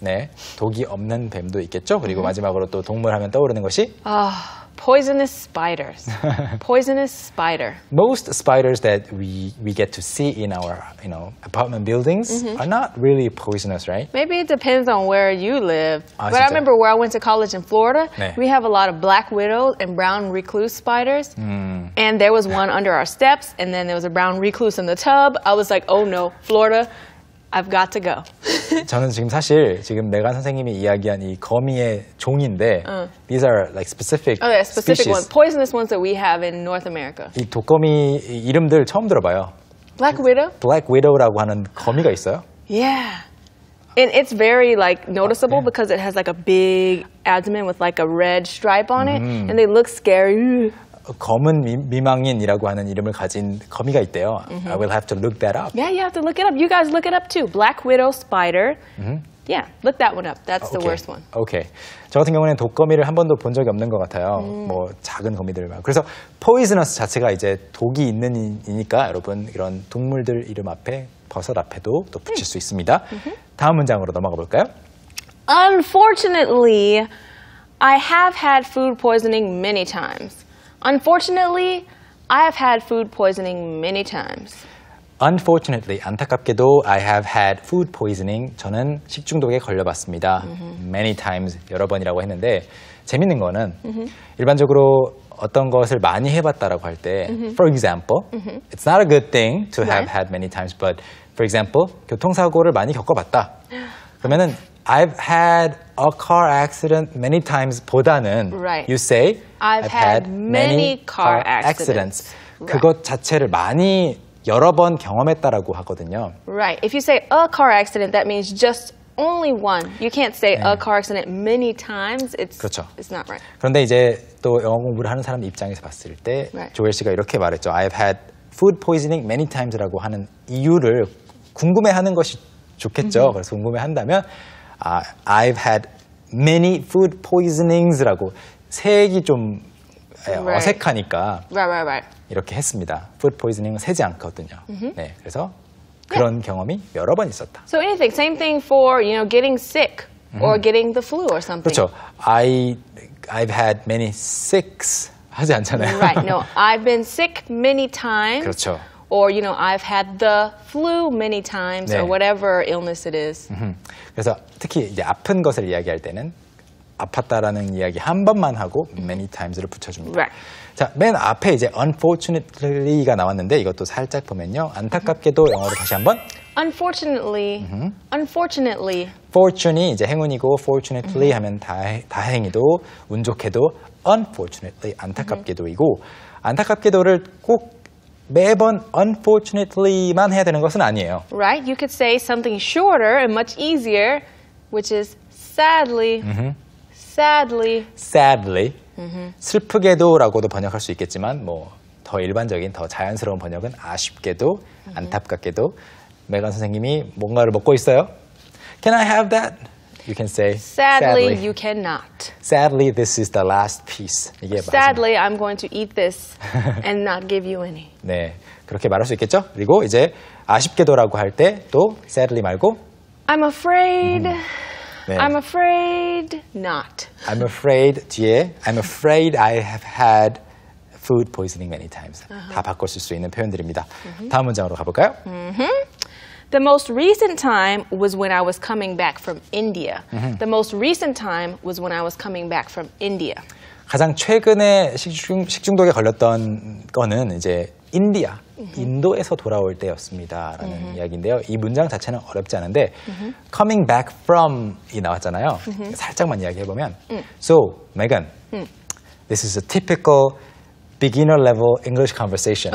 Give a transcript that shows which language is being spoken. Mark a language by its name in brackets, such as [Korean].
[Korean] 네, 독이 없는 뱀도 있겠죠. 그리고 마지막으로 또 동물 하면 떠오르는 것이 [English] Poisonous spiders. Poisonous spider. Most spiders that we get to see in our, you know, apartment buildings are not really poisonous, right? Maybe it depends on where you live. 아, But [Korean] 진짜? [English] I remember where I went to college in Florida, 네. we have a lot of black widow and brown recluse spiders. And there was one under our steps, and then there was a brown recluse in the tub. I was like, oh no, Florida. I've got to go. [Korean] 저는 지금 사실 지금 메간 선생님이 이야기한 이 거미의 종인데 [English] these are like specific, oh, yeah, specific species. One. Poisonous ones that we have in North America. [Korean] 이 독거미 이름들 처음 들어봐요. [English] Black widow? [Korean] Black widow라고 하는 거미가 있어요? [English] Yeah. And it's very like noticeable yeah. because it has like a big abdomen with like a red stripe on it and they look scary. [Korean] 검은 미망인이라고 하는 이름을 가진 거미가 있대요. [English] I will have to look that up. Yeah, you have to look it up. You guys look it up too. Black widow spider. Yeah, look that one up. That's the worst one. Okay. [Korean] 저 같은 경우에는 독거미를 한 번도 본 적이 없는 것 같아요. 뭐 작은 거미들만. 그래서 poisonous 자체가 이제 독이 있는 이니까 여러분 이런 동물들 이름 앞에 버섯 앞에도 또 붙일 수 있습니다. 다음 문장으로 넘어가 볼까요? [English] Unfortunately, I have had food poisoning many times. Unfortunately, I have had food poisoning many times. Unfortunately, 안타깝게도 I have had food poisoning. [Korean] 저는 식중독에 걸려봤습니다. [English] Many times, [Korean] 여러 번이라고 했는데 재밌는 거는 일반적으로 어떤 것을 많이 해봤다라고 할 때 [English] for example, it's not a good thing to have had many times, but for example, [Korean] 교통사고를 많이 겪어봤다. [English] 그러면은 I've had a car accident many times 보다는 you say I've had many car accidents. [Korean] 그것 자체를 많이 여러 번 경험했다라고 하거든요. [English] Right. If you say a car accident, that means just only one. You can't say 네. a car accident many times. It's, [Korean] 그렇죠. [English] it's not right. [Korean] 그런데 이제 또 영어 공부를 하는 사람 입장에서 봤을 때 조엘 씨가 이렇게 말했죠. [English] I've had food poisoning many times [Korean] 라고 하는 이유를 궁금해하는 것이 좋겠죠. 그래서 궁금해한다면 [English] I've had many food poisonings [Korean] 라고 세액이 좀 어색하니까 이렇게 했습니다. Food poisoning은 세지 않거든요. 네, 그래서 그런 경험이 여러 번 있었다. [English] So anything, same thing for you know getting sick or getting the flu or something. [Korean] 그렇죠. [English] I've had many sicks [Korean] 하지 않잖아요. [English] Right. No, I've been sick many times. [Korean] 그렇죠. [English] Or you know I've had the flu many times 네. or whatever illness it is. [Korean] 그래서 특히 이제 아픈 것을 이야기할 때는 아팠다라는 이야기 한 번만 하고 many times를 붙여줍니다. [English] Right. [Korean] 자, 맨 앞에 이제 unfortunately가 나왔는데 이것도 살짝 보면요. 안타깝게도 영어로 다시 한번 [English] unfortunately. unfortunately. [Korean] fortune이 이제 행운이고 fortunately 하면 다행히도 운 좋게도 unfortunately 안타깝게도이고 안타깝게도를 꼭 매번 unfortunately만 해야 되는 것은 아니에요. [English] Right. You could say something shorter and much easier which is sadly. Sadly. Sadly. [Korean] 슬프게도라고도 번역할 수 있겠지만 뭐 더 일반적인 더 자연스러운 번역은 아쉽게도 안타깝게도 메간 선생님이 뭔가를 먹고 있어요. [English] Can I have that? You can say sadly you cannot. Sadly this is the last piece. 이게 sadly 마지막. I'm going to eat this and not give you any. [Korean] 네. 그렇게 말할 수 있겠죠? 그리고 이제 아쉽게도라고 할 때 또 sadly 말고 [English] I'm afraid 네. I'm afraid not. I'm afraid 뒤에 I'm afraid I have had food poisoning many times. [Korean] 다 바꿀 수 있는 표현들입니다. 다음 문장으로 가볼까요? [English] The most recent time was when I was coming back from India. The most recent time was when I was coming back from India. [Korean] 가장 최근에 식중독에 걸렸던 거는 이제 인디아, 인도에서 돌아올 때였습니다. 라는 이야기인데요. 이 문장 자체는 어렵지 않은데 coming back from이 나왔잖아요. 살짝만 이야기해보면 [English] So, Megan, this is a typical beginner level English conversation.